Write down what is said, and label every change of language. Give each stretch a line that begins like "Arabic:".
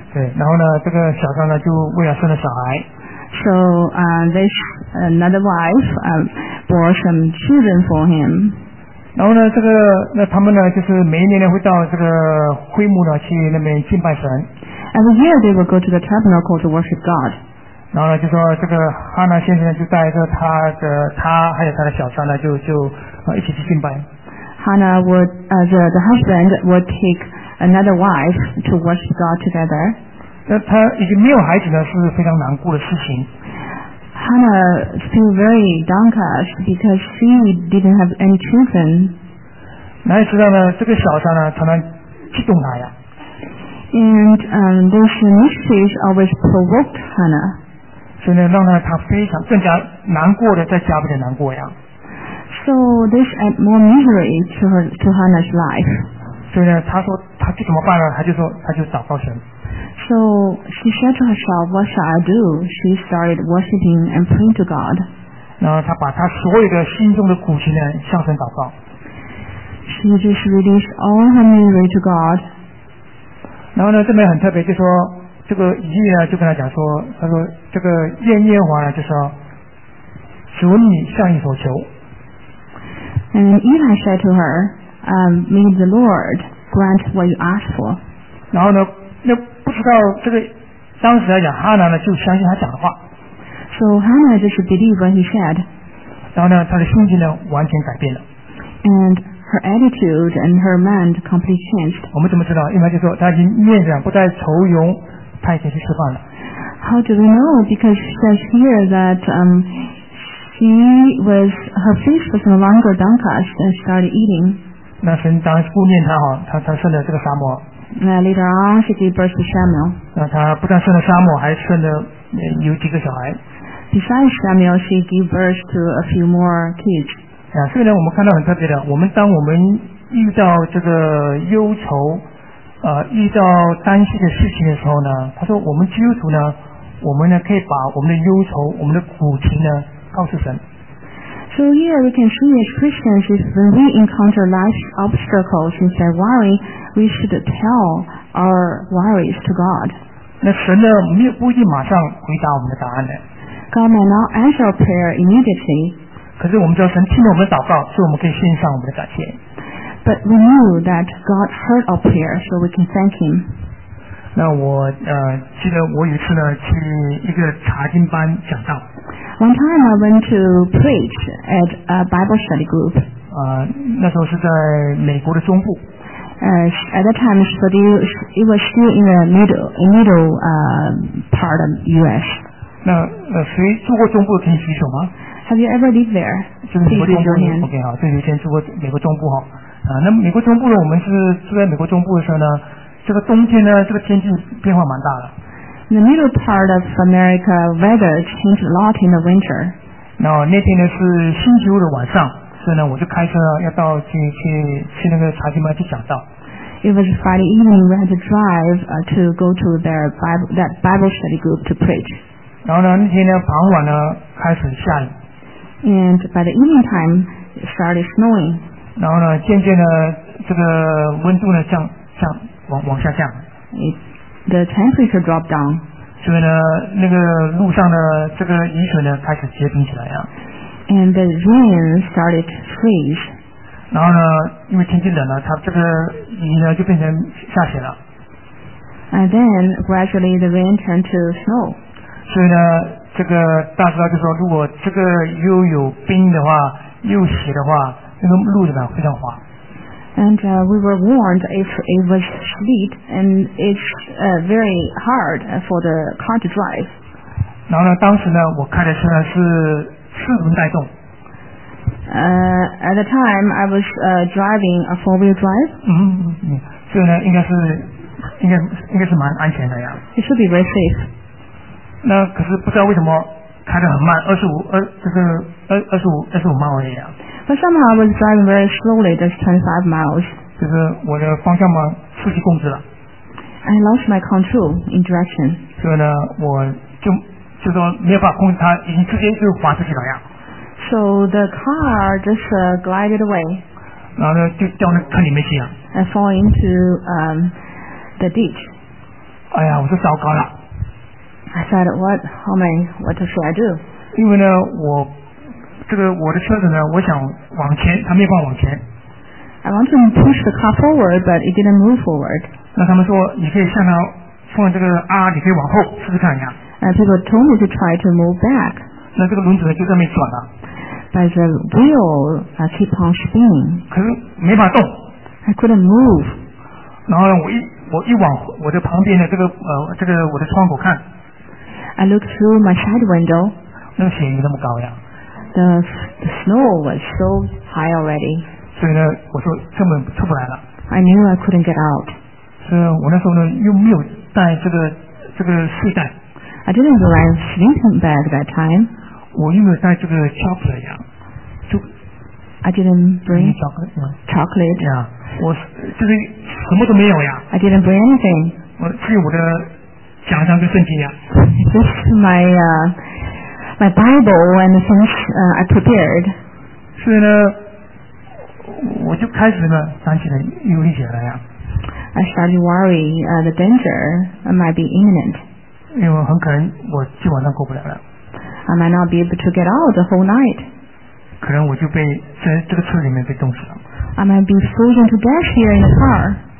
Chinese: 对然后呢这个小三呢就为了生了小孩
English: so this another wife bore some children for him
Chinese: 然后呢这个那他们呢就是每一年呢会到这个会幕呢去那边敬拜神
English: every year they will go to the tabernacle to worship God
Chinese: 然后呢，就说这个哈娜先生就带着他还有他的小三呢，就一起去敬拜。
English: Hannah would the husband would take another wife to worship God together.
Chinese: 那他已经没有孩子呢，是非常难过的事情。
English: Hannah feel very downcast because she didn't have any children.
Chinese: 哪里知道呢？这个小三呢，常常激动他呀。
English: And those mysteries always provoked Hannah.
Chinese: 真的让他非常更加难过的在家里的难过呀
English: So this add more misery to Hannah's life
Chinese: 所以呢他说他就怎么办呢他就说他就祷告神
English: So she said to herself what shall I do She started worshiping and praying to God
Chinese: 然后他把他所有的心中的苦情呢向神祷告
English: She just released all her misery to God
Chinese: 然后呢这边很特别就说这个以利呢就跟他讲说他说这个愿耶和华呢就说求你下一所求。
English: And Eli said to her, may the Lord grant what you ask for.
Chinese: 然后呢，那不知道这个当时来讲，哈拿呢就相信他讲的话。
English: So Hannah just believed what he said.
Chinese: 然后呢，她的心情呢完全改变了。
English: And her attitude and her mind completely changed.
Chinese: 我们怎么知道？一般就说她已经面上不再愁容，她已经去吃饭了。
English: How do we know? Because it says here that she was, her face was no longer downcast and started eating.
Chinese: 那神当时顾念她哈，她顺了这个沙漠。
English: 那 later on, she gave birth to Samuel.
Chinese: 那她不但顺了沙漠，还顺了有几个小孩。
English: Besides Samuel, she gave birth to a few more kids.
Chinese: 啊，所以呢，我们看到很特别的，我们当我们遇到这个忧愁。遇到担心的事情的时候呢，他说我们基督徒呢，我们呢可以把我们的忧愁、我们的苦情呢告诉神。
English: So here we can see as Christians, if when we encounter life's obstacles instead of worry, we should tell our worries to God.
Chinese: 那神呢，没有不一定马上回答我们的答案的。
English: God may not answer our prayer immediately.
Chinese: 可是我们知道神听了我们的祷告，所以我们可以献上我们的感谢。
English: But we knew that God heard our prayer, so we can thank Him.
Chinese: 那我记得我有一次呢去一个查经班讲道。
English: One time I went to preach at a Bible study group.
Chinese: 那时候是在美国的中部。
English: At that time, it was still in the middle part of U.S.
Chinese: 那谁住过中部的可以举手吗
English: ？Have you ever lived there?
Chinese: 就是美国中部 ，OK 好，就有一天住过美国中部哈。那美国中部呢？我们是住在美国中部的时候呢，这个冬天呢，这个天气变化蛮大的。
English: The middle part of America weather changed a lot in the winter.
Chinese: 然后那天呢是星期五的晚上，所以呢我就开车要到去那个查经班去讲道。
English: It was Friday evening. We had to drive to go to their Bible study group to preach.
Chinese: 然后呢那天呢傍晚呢开始下雨。
English: And by the evening time, it started snowing.
Chinese: 然后呢，渐渐的，这个温度呢降往下降。
English: The temperature dropped down.
Chinese: 所以呢，那个路上的这个雨水呢开始结冰起来了。
English: And the rain started to freeze.
Chinese: 然后呢，因为天气冷了，它这个雨呢就变成下雪了。
English: And then gradually the rain turned to snow.
Chinese: 所以呢，这个大师就说，如果这个又有冰的话，又雪的话。那个路怎么样？非常滑。
English: And we were warned if it was sleet and it's very hard for the car to drive.
Chinese: 然后呢，当时呢，我开的车呢是四轮带动。
English: At the time I was driving a four-wheel drive.
Chinese: 所以呢，应该是蛮安全的呀。
English: It should be very safe.
Chinese: 那可是不知道为什么开得很慢，二十五迈而已啊。
English: But somehow I was driving very slowly, just 25 miles.
Chinese: 就是我的方向盘失去控制了。
English: I lost my control in direction.
Chinese: 所以呢，我就说没有办法控制它，已经直接就滑出去了呀。
English: So the car just glided away.
Chinese: 然后呢，就掉那坑里面去了。
English: I fall into the ditch.
Chinese: 哎呀，我说糟糕了。
English: I said, what should I do?
Chinese: 因为呢，我。这个我的车子呢，我想往前，它没办法往前。
English: I want to push the car forward, but it didn't move forward.
Chinese: 那他们说，你可以向它放这个 R， 你可以往后试试看一下。
English: And people told me to try to move back.
Chinese: 那这个轮子呢，就在那边转了。
English: But the wheel keep on spinning.
Chinese: 可是没法动。
English: I couldn't move.
Chinese: 然后呢，我一往我的旁边的这个我的窗口看。
English: I look through my side window.
Chinese: 那个雪有那么高呀？
English: The snow was so high already.
Chinese: 所以呢，我说根本出不来了。
English: I knew I couldn't get out.
Chinese: 所以我那时候呢又没有带这个睡袋。
English: I didn't have a sleeping bag that time.
Chinese: 我又没有带这个巧克力呀。
English: I didn't bring chocolate. Yeah.
Chinese: 我就是什么都没有呀。
English: I didn't bring anything.
Chinese: 我只有我的奖章跟圣经呀。
English: This is my Bible and the things I prepared.
Chinese: 所以呢，我就开始呢担心了，忧虑起来呀。
English: I started worry the danger might be imminent.
Chinese: 因为很可能我今晚上过不了了。
English: I might not be able to get out the whole night.
Chinese: 可能我就被在这个车里面被冻死了。
English: I might be frozen to death here in the car.